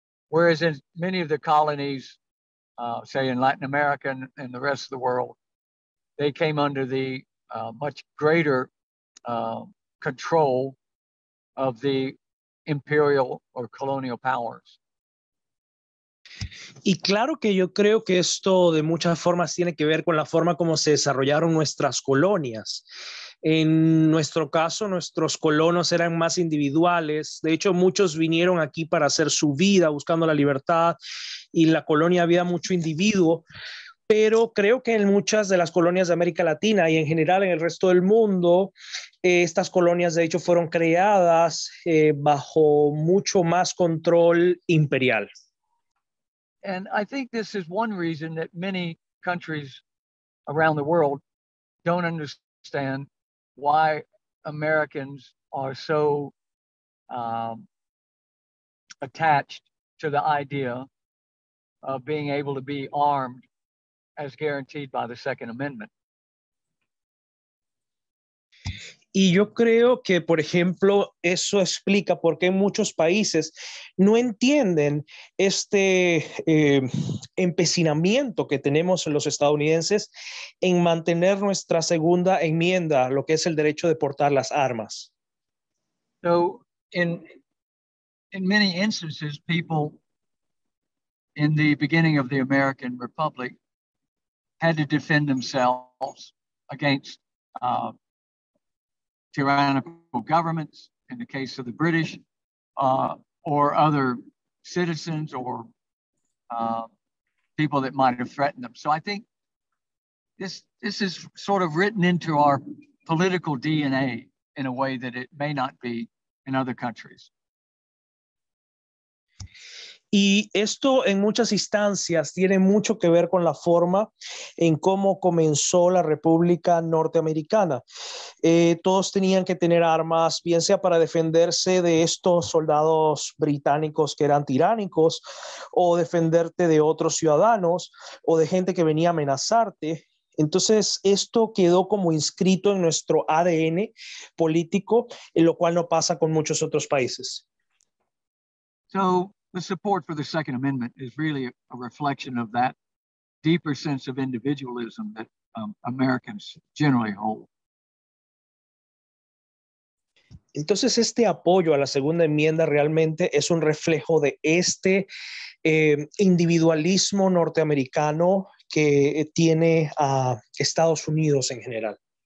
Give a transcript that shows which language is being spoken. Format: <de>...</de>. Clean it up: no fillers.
<en>Whereas in many of the colonies, say in Latin America and the rest of the world, they came under the much greater control of the imperial or colonial powers.</en> <es>Y claro que yo creo que esto de muchas formas tiene que ver con la forma como se desarrollaron nuestras colonias. En nuestro caso, nuestros colonos eran más individuales. De hecho, muchos vinieron aquí para hacer su vida buscando la libertad y la colonia había mucho individuo. Pero creo que en muchas de las colonias de América Latina y en general en el resto del mundo, estas colonias de hecho fueron creadas bajo mucho más control imperial.</es> <en>And I think this is one reason that many countries around the world don't understand why Americans are so attached to the idea of being able to be armed as guaranteed by the Second Amendment.</en> <es>Y yo creo que, por ejemplo, eso explica por qué muchos países no entienden este empecinamiento que tenemos los estadounidenses en mantener nuestra segunda enmienda, lo que es el derecho de portar las armas.</es> <en>So, in many instances, people in the beginning of the American Republic had to defend themselves against tyrannical governments, in the case of the British, or other citizens or people that might have threatened them. So I think this is sort of written into our political DNA in a way that it may not be in other countries.</en> <es>Y esto en muchas instancias tiene mucho que ver con la forma en cómo comenzó la República Norteamericana. Todos tenían que tener armas, bien sea para defenderse de estos soldados británicos que eran tiránicos, o defenderte de otros ciudadanos, o de gente que venía a amenazarte. Entonces, esto quedó como inscrito en nuestro ADN político, en lo cual no pasa con muchos otros países.</es> <en>So, the support for the Second Amendment is really a reflection of that deeper sense of individualism that Americans generally hold.</en> <es>Entonces, este apoyo a la Segunda Enmienda realmente es un reflejo de este individualismo norteamericano que tiene a Estados Unidos en general.</es>